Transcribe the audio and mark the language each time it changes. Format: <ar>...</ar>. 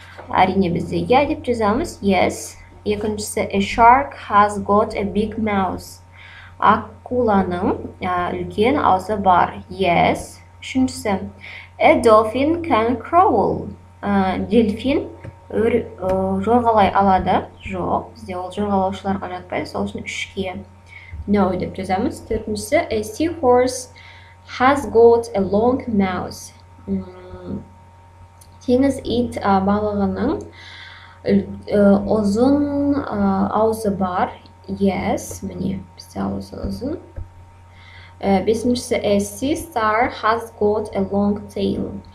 <kk>Әрине бізде я деп жазамыз, yes. Екіншісі,</kk> <en>a shark has got a big mouth.</en> <kk>Акуланың үлкен аузы бар, yes. Үшіншісі,</kk> <en>a dolphin can crawl.</en> <kk>Дельфин жорғалай алады, жоқ. Бізде ол жорғалаушыларға жатпайды, сол үшін үшке. No деп жазамыз. Төртіншісі,</kk> <en>a seahorse has got a long mouth.</en> <kk>Теңіз ит балығының ұзын аузы бар. Yes, міне, бізде аузы ұзын. Бесіншісі,</kk> <en>a sea star has got a long tail.</en>